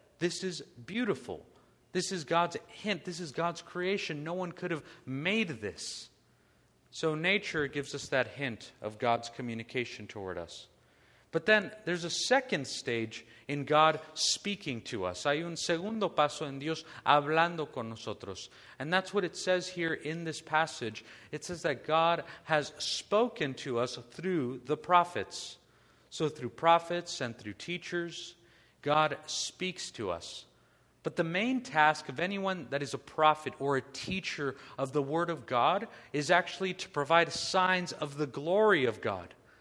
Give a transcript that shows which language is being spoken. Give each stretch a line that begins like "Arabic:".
English: This is beautiful. This is God's hint. This is God's creation. No one could have made this. So nature gives us that hint of God's communication toward us. But then there's a second stage in God speaking to us.
Spanish: Hay un segundo paso en Dios hablando con nosotros.
English: And that's what it says here in this passage. It says that God has spoken to us through the prophets. So through prophets and through teachers, God speaks to us. But the main task of anyone that is a prophet or a teacher of the Word of God is actually to provide signs of the glory of God.